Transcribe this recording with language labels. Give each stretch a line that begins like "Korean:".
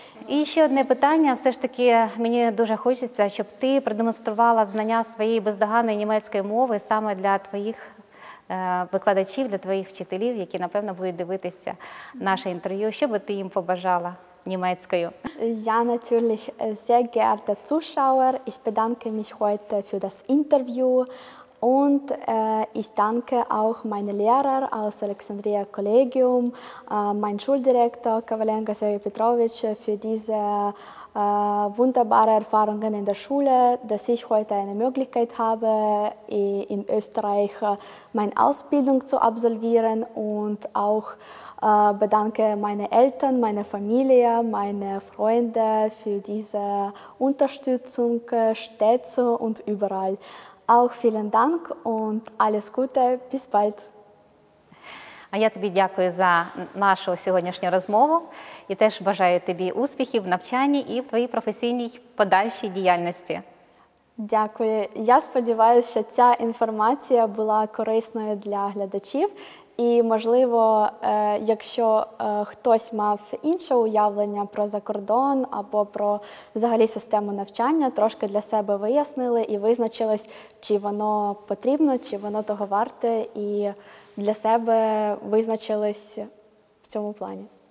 Ukrainian: І ще одне питання. Все ж таки, мені дуже хочеться, щоб ти продемонструвала знання своєї бездоганної німецької мови саме для твоїх викладачів, для твоїх вчителів, які, напевно, будуть дивитися наше інтерв'ю. Що би ти їм побажала німецькою?
German: Я natürlich sehr geehrte Zuschauer, ich bedanke mich heute für das Interview Und ich danke auch meinen Lehrern aus Alexandria Collegium, mein Schuldirektor Kavalenko Sergej Petrovic für diese wunderbare Erfahrungen in der Schule, dass ich heute eine Möglichkeit habe, in Österreich meine Ausbildung zu absolvieren, und auch bedanke meine Eltern, meine Familie, meine Freunde für diese Unterstützung stets und überall. Auch vielen Dank und alles Gute, bis bald.
Ukrainian: А я тобі дякую за нашу сьогоднішню розмову і теж бажаю тобі успіхів в навчанні і в твоїй професійній подальшій діяльності. Дякую. Я сподіваюся, що ця інформація була корисною для глядачів. І, можливо, якщо хтось мав інше уявлення про закордон або про взагалі систему навчання, трошки для себе вияснили і визначились, чи воно потрібно, чи воно того варте, і для себе визначились в цьому плані.